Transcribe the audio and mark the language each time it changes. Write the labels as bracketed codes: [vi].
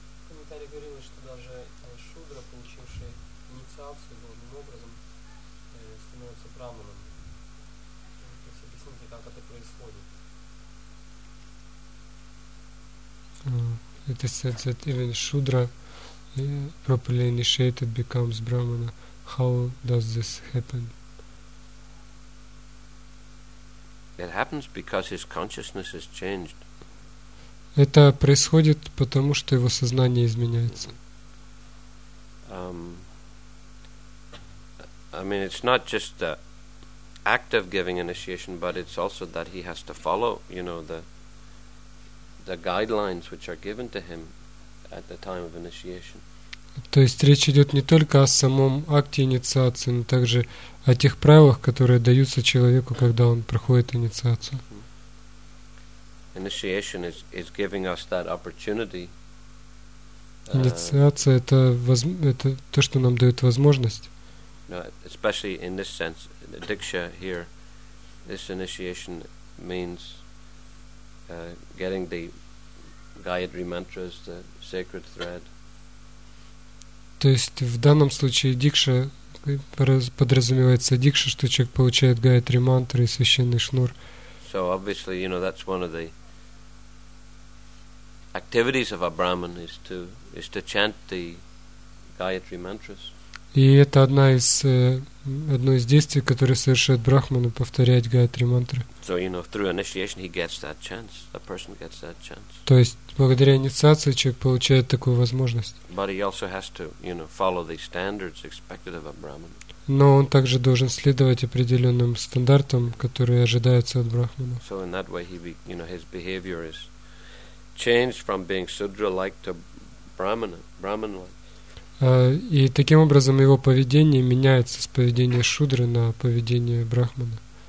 [ru] Комментарий говорил, что даже шудра, получивший инициация должным образом становится браманом. То есть объясните, как это происходит. [en] It is said that even Shudra properly initiated becomes Brahmana. How does this happen? It happens because his consciousness has changed. [ru] Это происходит потому, что его сознание изменяется. [en] I mean, it's not just the act of giving initiation, but it's also that he has to follow, you know, the guidelines which are given to him at the time of initiation. [ru] То есть речь идет не только о самом акте инициации, но также о тех правилах, которые даются человеку, когда он проходит инициацию. [en] Initiation is giving us that opportunity. [ru] Инициация это то, что нам дает возможность. [en] No, especially in this sense, the diksha here, this initiation means getting the Gayatri mantras, the sacred thread. [ru] То есть в данном случае дикша подразумевается дикша, что человек получает гаятри мантры и священный шнур. [en] So obviously, you know, that's one of the activities of a Brahman is to chant the gayatri mantras. [ru] И это одно из действий, которое совершает брахмана, повторять гаятри мантры. [en] So, you know, through initiation he gets that chance. The person gets that chance. [ru] То есть благодаря инициации человек получает такую возможность. [en] But he also has to, you know, follow the standards expected of a Brahman. [ru] Но он также должен следовать определенным стандартам, которые ожидаются от брахмана. [en] So in that way he be, you know, his behavior is changed from being sudra-like to brahman-like. [ru] И таким образом его поведение меняется с поведения шудры на поведение брахмана.